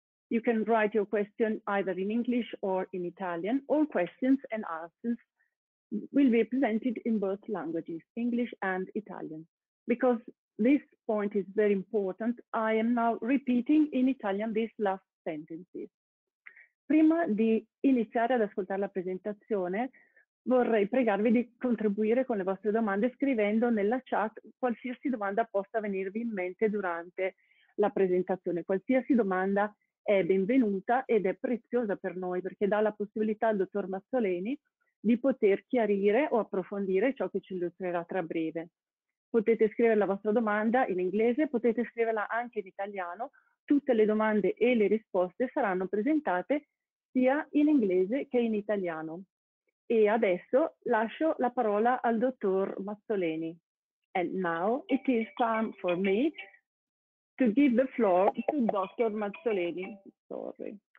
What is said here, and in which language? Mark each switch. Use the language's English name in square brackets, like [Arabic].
[English] You can write your question either in English or in Italian. All questions and answers will be presented in both languages, English and Italian. Because this point is very important, I am now repeating in Italian this last sentences. [Italian] Prima di iniziare ad ascoltare la presentazione, vorrei pregarvi di contribuire con le vostre domande scrivendo nella chat qualsiasi domanda possa venirvi in mente durante la presentazione. Qualsiasi domanda è benvenuta ed è preziosa per noi perché dà la possibilità al dottor Mazzoleni di poter chiarire o approfondire ciò che ci illustrerà tra breve. Potete scrivere la vostra domanda in inglese, potete scriverla anche in italiano. Tutte le domande e le risposte saranno presentate sia in inglese che in italiano. E adesso lascio la parola al dottor Mazzoleni. [English] And now it is time for me to give the floor to Dr. Mazzoleni. Sorry.